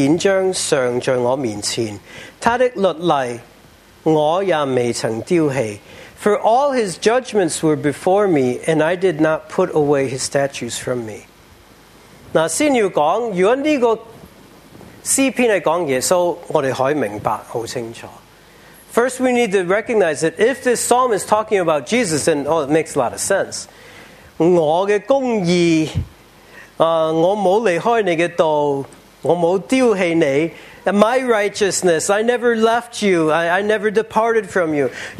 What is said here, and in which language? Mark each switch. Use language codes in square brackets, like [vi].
[zh] 他的一切典章常在我面前, 他的律例我也未曾丢弃. [en] For all his judgments were before me, and I did not put away his statutes from me. [zh] Now, 先要讲, 如果这个诗篇是讲的, 所以我们可以明白很清楚。 [en] First, we need to recognize that if this psalm is talking about Jesus, then oh, it makes a lot of sense. [zh] 我的公义, 我没离开你的道, 我没丢弃你, [en] My righteousness, I never left you, I never departed from you.